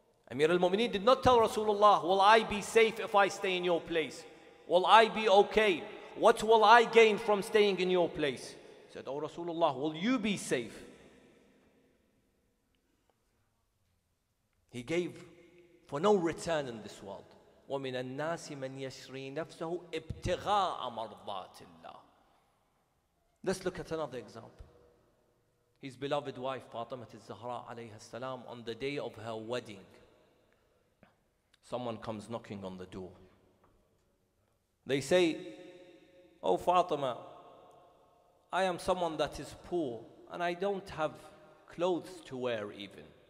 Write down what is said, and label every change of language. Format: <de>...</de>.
<en>Amir al-Mu'mineen did not tell Rasulullah, will I be safe if I stay in your place? Will I be okay? What will I gain from staying in your place? He said, oh Rasulullah, will you be safe? He gave for no return in this world.</en> <ar>وَمِنَ النَّاسِ مَنْ يَشْرِي نَفْسَهُ ابْتِغَاءَ مَرْضَاتِ اللَّهِ.</ar> <en>Let's look at another example. his beloved wife Fatima al-Zahra alayha salam, on the day of her wedding, someone comes knocking on the door. They say, "Oh Fatima, I am someone that is poor and I don't have clothes to wear even.</en>